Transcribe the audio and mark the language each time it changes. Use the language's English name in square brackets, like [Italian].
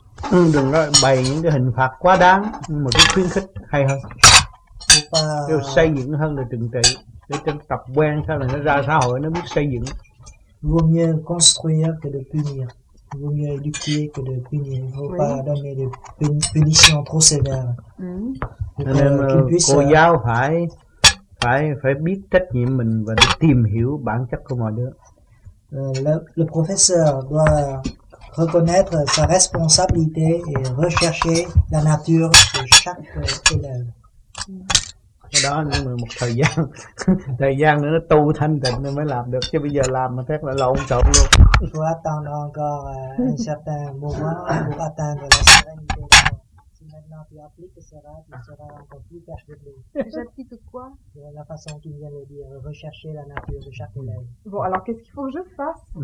[Vietnamese] Đừng có bày những cái hình phạt quá đáng, mà cứ khuyến khích hay hơn, kêu xây dựng hơn là trừng trị, để cho tập quen sau này nó ra xã hội nó biết xây dựng. [French] Vaut mieux construire que de punir, vaut mieux éduquer que de punir, faut pas donner de punition trop sévère. [Vietnamese] Nên cô giáo phải biết trách nhiệm mình và để tìm hiểu bản chất của mọi đứa. [French] Le professeur doit reconnaître sa responsabilité et rechercher la nature de chaque élève. [Vietnamese] Cái đó là một thời gian. Thời gian nữa nó tu thanh tịnh nó mới làm được, chứ bây giờ làm mà chắc là lộn xộn luôn. [French] Il faut attendre encore un certain moment pour atteindre la sérénité. Si maintenant tu appliques cela, tu seras encore plus perfectible. J'applique quoi? De la façon qu'il vient de dire, rechercher la nature de chaque élève. Bon, alors qu'est-ce qu'il faut que je fasse?